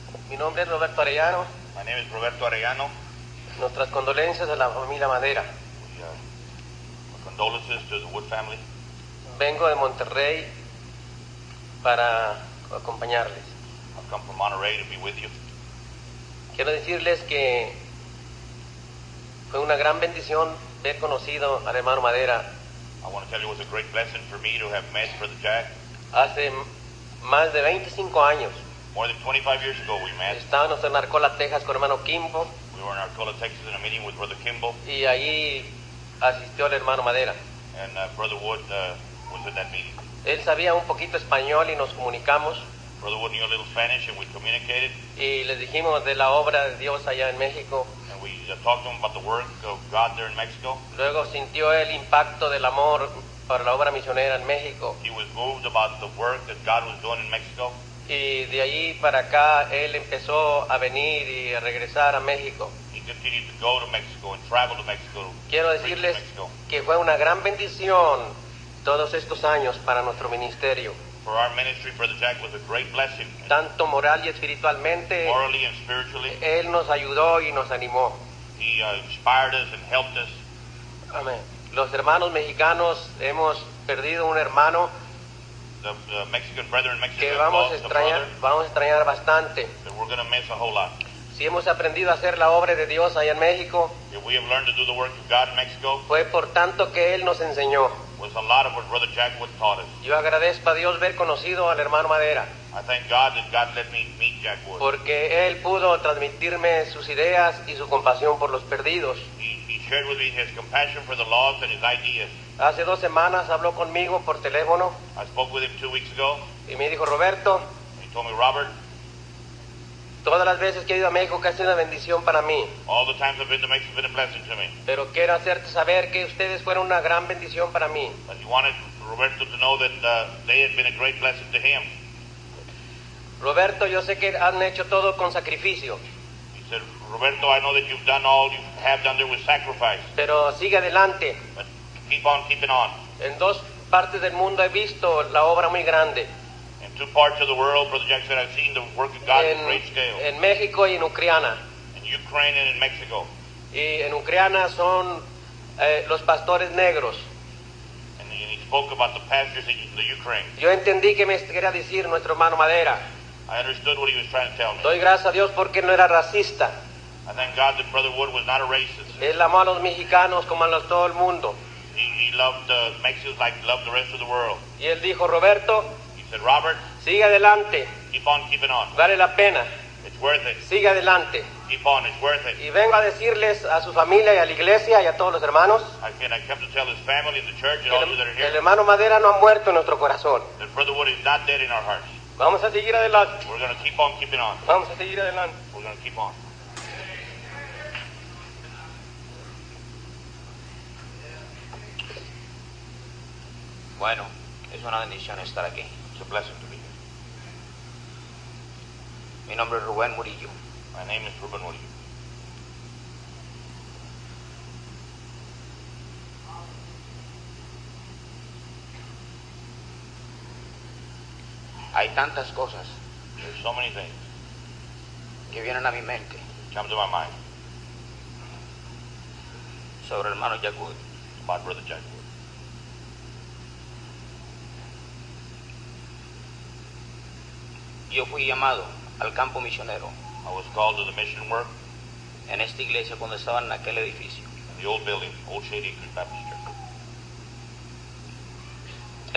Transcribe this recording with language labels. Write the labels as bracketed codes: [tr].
[es] Mi nombre es Roberto Arellano. [en] My name is Roberto Arellano. [es] Nuestras condolencias a la familia Madera. [en] My condolences to the Wood family. [es] Vengo de Monterrey para acompañarles. [en] I come from Monterrey to be with you. [es] Quiero decirles que fue una gran bendición haber conocido al hermano Madera. [en] I want to tell you it was a great blessing for me to have met Brother Jack. [es] Hace más de 25 años. [en] More than 25 years ago we met. [es] Estábamos en Arcola, Texas con hermano Kimbo. [en] We were in Arcola, Texas in a meeting with Brother Kimbo. [es] Y ahí asistió el hermano Madera. [en] And Brother Wood was at that meeting. [es] Él sabía un poquito español y nos comunicamos. [en] Brother Wood knew a little Spanish and we communicated. [es] Y les dijimos de la obra de Dios allá en México. [en] And we talked to him about the work of God there in Mexico. [es] Luego sintió el impacto del amor para la obra misionera en México. [en] He was moved about the work that God was doing in Mexico. [es] Y de ahí para acá él empezó a venir y a regresar a México. [en] He continued to go to Mexico and travel to Mexico. [es] Quiero decirles que fue una gran bendición todos estos años para nuestro ministerio. [en] For our ministry, Brother Jack was a great blessing. [es] Tanto moral y espiritualmente. [en] Morally and spiritually. [es] Él nos ayudó y nos animó. [en] He inspired us and helped us. [es] Amen. Los hermanos mexicanos hemos perdido un hermano. [en] The Mexican brethren, Mexican [es] que vamos a extrañar, [en] brother, [es] vamos a extrañar bastante. [en] We're gonna miss a whole lot. [es] Si hemos aprendido a hacer la obra de Dios allá en México, [en] if we have learned to do the work of God in Mexico, [es] fue por tanto que él nos enseñó. [en] Was a lot of what Brother Jack Wood taught us. [es] Yo agradezco a Dios haber conocido al hermano Madera. [en] I thank God that God let me meet Jack Wood. [es] Porque él pudo transmitirme sus ideas y su compasión por los perdidos. [en] He shared with me his compassion for the lost and his ideas. [es] Hace dos semanas habló conmigo por teléfono. [en] I spoke with him 2 weeks ago. [es] Y me dijo, Roberto. [en] He told me, Robert. [es] Todas las veces que he ido a México, que ha sido una bendición para mí. [en] All the times I've been to Mexico, it's been a blessing to me. [es] Pero quiero hacerte saber que ustedes fueron una gran bendición para mí. [en] But he wanted Roberto to know that they had been a great blessing to him. [es] Roberto, yo sé que han hecho todo con sacrificio. [en] He said, Roberto, I know that you've done all you have done there with sacrifice. [es] Pero sigue adelante. [en] But keep on keeping on. [es] En dos partes del mundo he visto la obra muy grande. [en] In two parts of the world, Brother Jack said, I've seen the work of God in great scale. [es] En México y en Ucrania. [en] In Ukraine and in Mexico. [es] Y en Ucrania son los pastores negros. [en] And he spoke about the pastors in the Ukraine. [es] Yo entendí que me quería decir nuestro hermano Madera. [en] I understood what he was trying to tell me. [es] Doy gracias a Dios porque no era racista. [en] I thank God that Brother Wood was not a racist. [es] Él amó a los mexicanos como a los todo el mundo. [en] He loved the Mexicans like he loved the rest of the world. [es] Y él dijo, Roberto. [en] He said, Robert. [es] Sigue adelante. [en] Keep on keeping on. [es] Vale la pena. [en] It's worth it. [es] Sigue adelante. [en] Keep on. It's worth it. [es] Y vengo a decirles a su familia y a la iglesia y a todos los hermanos. [en] I came to tell his family and the church and all those that are here. [es] El hermano Madera no ha muerto en nuestro corazón. [en] That Brother Wood is not dead in our hearts. [es] Vamos a seguir adelante. [en] We're going to keep on keeping on. [es] Vamos a seguir adelante. [en] We're going to keep on. [es] Bueno, es una bendición estar aquí. [en] It's a blessing to be here. [es] Mi nombre es Rubén Murillo. [en] My name is Rubén Murillo. [es] Hay tantas cosas. [en] There's so many things. [es] Que vienen a mi mente. [en] Come to my mind. [es] Sobre hermano Jack Wood. [en] About Brother Jack Wood. [es] Yo fui llamado al campo misionero. [en] I was called to the mission work. [es] En esta iglesia cuando estaba en aquel edificio. [en] In the old building, old Shady Creek Baptist Church.